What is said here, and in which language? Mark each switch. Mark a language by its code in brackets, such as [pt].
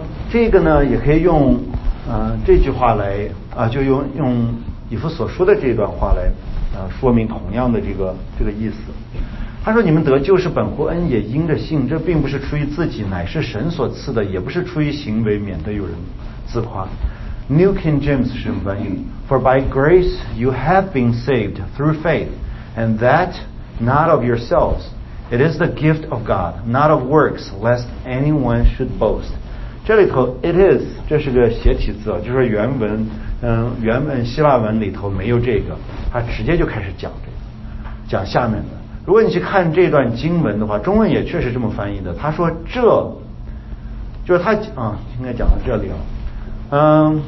[zh] 这个呢也可以用这句话来就用以弗所说的这段话来说明同样的这个意思。他说，你们得救是本乎恩，也因着信，这并不是出于自己，乃是神所赐的，也不是出于行为，免得有人自夸。 [en] New King James [zh] 是翻译 [en] For by grace you have been saved through faith, and that not of yourselves. It is the gift of God, not of works, lest anyone should boast. [zh] 这里头 it is 这是个斜体字，就是原本希腊文里头没有这个，他直接就开始讲这个，讲下面的。如果你去看这段经文的话，中文也确实这么翻译的。他说这就是他应该讲到这里了。